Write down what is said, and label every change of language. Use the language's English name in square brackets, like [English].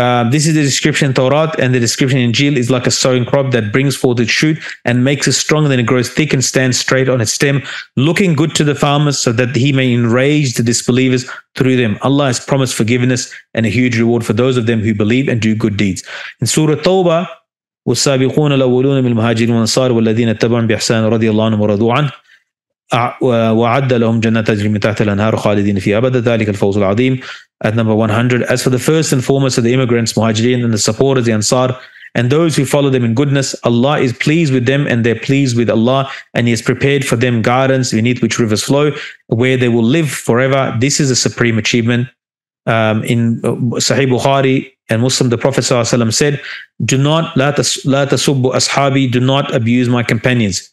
[English] This is the description in Torah, and the description in Jil is like a sowing crop that brings forth its shoot and makes it stronger than it grows thick and stands straight on its stem, looking good to the farmers so that he may enrage the disbelievers through them. Allah has promised forgiveness and a huge reward for those of them who believe and do good deeds. In Surah Tawbah, [Arabic] والسابقون الأولون من المهاجرين والأنصار والذين اتبعهم بإحسان رضي الله عنهم ورضوا عنه وعد لهم جنات تجري من تحت الأنهار خالدين فيها أبدا ذلك الفوز العظيم. [English] At number 100, as for the first and foremost of the immigrants, muhajirin, and the supporters, the Ansar, and those who follow them in goodness, Allah is pleased with them and they're pleased with Allah, and he has prepared for them gardens beneath which rivers flow, where they will live forever. This is a supreme achievement. In Sahih Bukhari and Muslim, the Prophet ﷺ said, "Do not [Arabic] la tasubbu ashabi, [English] do not abuse my companions.